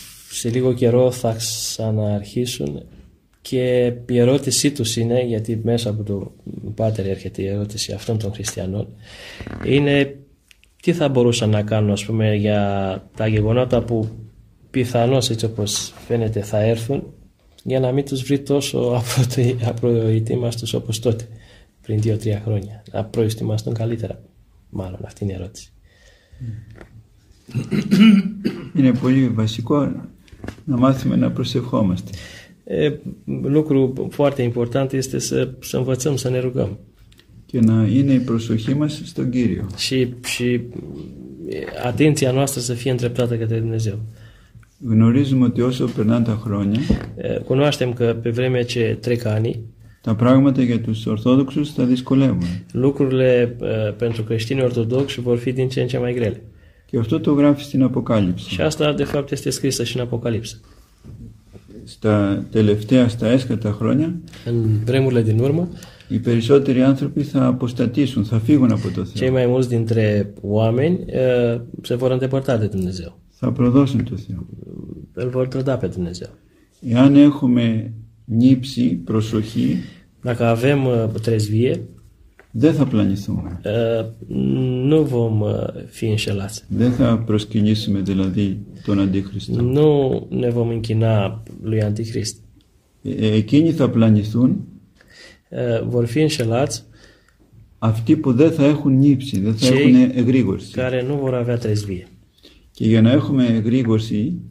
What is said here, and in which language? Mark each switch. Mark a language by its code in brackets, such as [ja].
[el] σε λίγο καιρό θα ξαναρχίσουν και η ερώτησή τους είναι, γιατί μέσα από τον Πάτερ έρχεται η ερώτηση αυτών των χριστιανών, είναι τι θα μπορούσαν να κάνουν, ας πούμε, για τα γεγονότα που πιθανώς, έτσι όπως φαίνεται, θα έρθουν, για να μην τους βρει τόσο απροετοίμαστος όπως τότε, πριν 2-3 χρόνια. Να προετοιμαστούν καλύτερα, μάλλον, αυτή είναι η ερώτηση. Είναι πολύ βασικό να μάθουμε να προσευχόμαστε. [ro] Lucru foarte important este să învățăm să ne rugăm. [el] Και να είναι η προσοχή μας στον Κύριο. [ro] Și atenția noastră să fie îndreptată către Dumnezeu. [el] Γνωρίζουμε ότι όσο περνάνε τα χρόνια, [ro] cunoaștem că pe vremea ce trec ani, [el] τα πράγματα για τους Ορθόδοξους θα δυσκολεύουν. [ro] Lucrurile pentru creștinii ortodoxi vor fi din ce în ce mai grele. [el] Και αυτό το γράφει στην Αποκάλυψη. [ro] Și asta de fapt este scrisă și în Apocalipsa. [el] Στα τελευταία, στα έσχατα χρόνια, [ro] în vremurile din urmă, [el] οι περισσότεροι άνθρωποι θα αποστατήσουν, θα φύγουν από το Θεό. [ro] Cei mai mulți dintre oameni se vor îndepărta de Dumnezeu. [el] Θα προδώσουν το Θεό. [ro] Îl vor trăda pe Dumnezeu. [el] Εάν έχουμε νύψη, προσοχή, [ro] dacă avem trezvie, [el] δεν θα πλανηθούμε. [ro] Nu vom fi înșelați. [el] Δεν θα προσκυνήσουμε, δηλαδή, τον Αντίχριστο. [ro] Nu ne vom închina lui Antichrist. [el] Εκείνοι θα πλανηθούν. [ro] Vor fi înșelați. [el] Αυτοί που δεν θα έχουν νύψη, δεν θα έχουν εγρήγορση. [ro] Care nu vor avea trezvie. [el] Και για να έχουμε εγρήγορση,